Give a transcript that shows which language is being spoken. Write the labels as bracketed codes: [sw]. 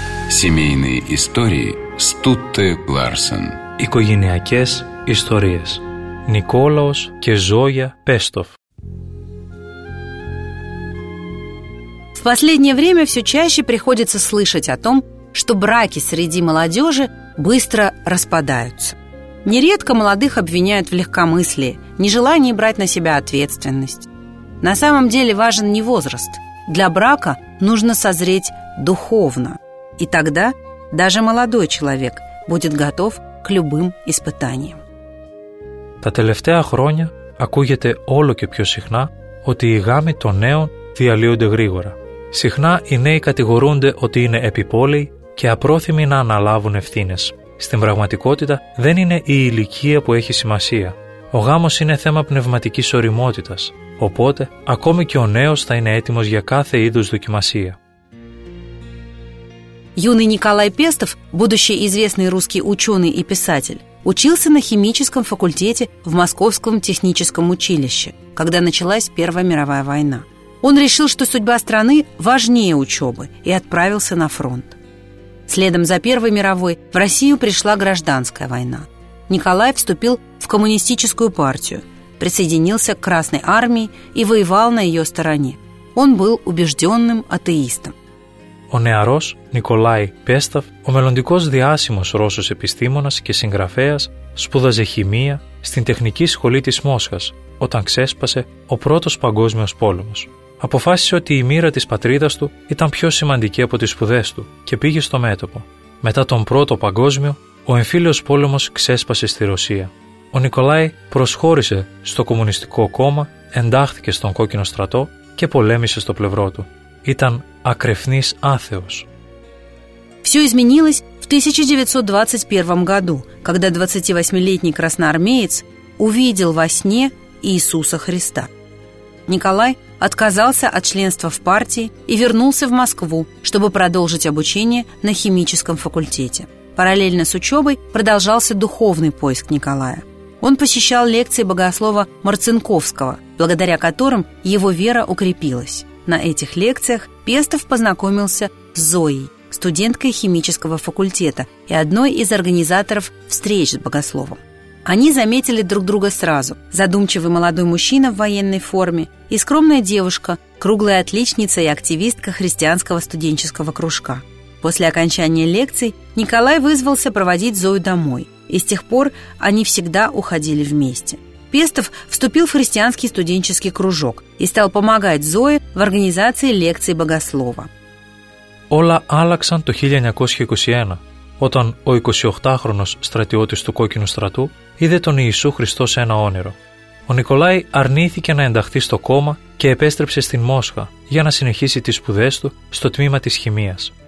[ru] Семейные истории Стутте Ларсен. [el] Οικογενειακές ιστορίες. Νικόλαος και Ζόγια Πέστοφ. [ru] В последнее время все чаще приходится слышать о том, что браки среди молодежи быстро распадаются. Нередко молодых обвиняют в легкомыслии, нежелании брать на себя ответственность. На самом деле важен не возраст. Для брака нужно созреть духовно. И тогда даже молодой человек будет готов к любым испытаниям. [el] Τα τελευταία χρόνια ακούγεται όλο και πιο συχνά ότι οι γάμοι των νέων διαλύονται γρήγορα. Συχνά οι νέοι κατηγορούνται ότι είναι επιπόλαιοι και απρόθυμοι να αναλάβουν ευθύνες. Στην πραγματικότητα δεν είναι η ηλικία που έχει σημασία. Ο γάμος είναι θέμα πνευματικής ωριμότητας. Οπότε, ακόμη και ο νέος θα είναι έτοιμος για κάθε είδους δοκιμασία. [ru] Юный Николай Пестов, будущий известный русский ученый и писатель, учился на химическом факультете в Московском техническом училище, когда началась Первая мировая война. Он решил, что судьба страны важнее учебы, и отправился на фронт. Следом за Первой мировой в Россию пришла гражданская война. Николай вступил в коммунистическую партию, присоединился к Красной армии и воевал на ее стороне. Он был убежденным атеистом. [el] ο νεαρός Νικολάι Πέσταφ, ο μελλοντικός διάσημος Ρώσος επιστήμονας και συγγραφέας, σπούδαζε χημεία στην τεχνική σχολή της Μόσχας όταν ξέσπασε ο πρώτος παγκόσμιος πόλεμος. Αποφάσισε ότι η μοίρα της πατρίδας του ήταν πιο σημαντική από τις σπουδές του και πήγε στο μέτωπο. Μετά τον πρώτο παγκόσμιο, ο εμφύλιος πόλεμος ξέσπασε στη Ρωσία. Ο Νικολάι προσχώρησε στο Κομμουνιστικό Κόμμα, εντάχθηκε στον Κόκκινο Στρατό και πολέμησε στο πλευρό του. Ήταν ακρεφνής άθεος. [ru] Все изменилось в 1921 году, когда 28-летний красноармеец увидел во сне Иисуса Христа. Николай отказался от членства в партии и вернулся в Москву, чтобы продолжить обучение на химическом факультете. Параллельно с учебой продолжался духовный поиск Николая. Он посещал лекции богослова Марцинковского, благодаря которым его вера укрепилась. На этих лекциях Пестов познакомился с Зоей, студенткой химического факультета и одной из организаторов встреч с богословом. Они заметили друг друга сразу – задумчивый молодой мужчина в военной форме и скромная девушка, круглая отличница и активистка христианского студенческого кружка. После окончания лекций Николай вызвался проводить Зою домой, и с тех пор они всегда уходили вместе. Пестов вступил в христианский студенческий кружок и стал помогать Зое в организации лекций богослова. [el] Όλα άλλαξαν το 1921, όταν ο 28χρονος στρατιώτης του Κόκκινου Στρατού είδε τον Ιησού Χριστό σε ένα όνειρο. Ο Νικολάι αρνήθηκε να ενταχθεί στο κόμμα και επέστρεψε στην Μόσχα για να συνεχίσει τις σπουδές του στο τμήμα της χημείας.